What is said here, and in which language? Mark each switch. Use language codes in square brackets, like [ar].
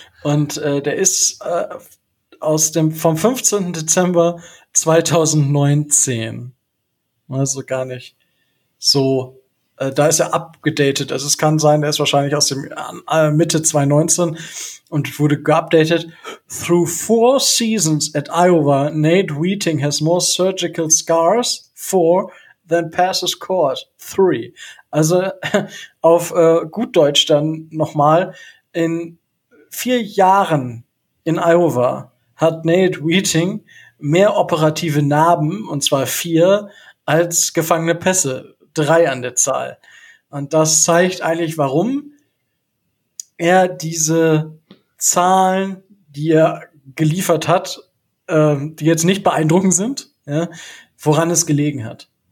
[de] Und der ist vom 15. Dezember 2019. Also gar nicht so. Da ist er abgedatet. Also es kann sein, er ist wahrscheinlich aus dem Mitte 2019 und wurde geupdatet. [en] Through 4 seasons at Iowa, Nate Wheating has more surgical scars, 4, than passes caught, 3. [de] Also auf gut Deutsch dann nochmal. In 4 Jahren in Iowa hat Nate Wheating mehr operative Narben, und zwar 4, als gefangene Pässe. 3 an der Zahl. Und das zeigt eigentlich, warum er diese Zahlen, die er geliefert hat, die jetzt nicht beeindruckend sind, ja, woran es gelegen hat.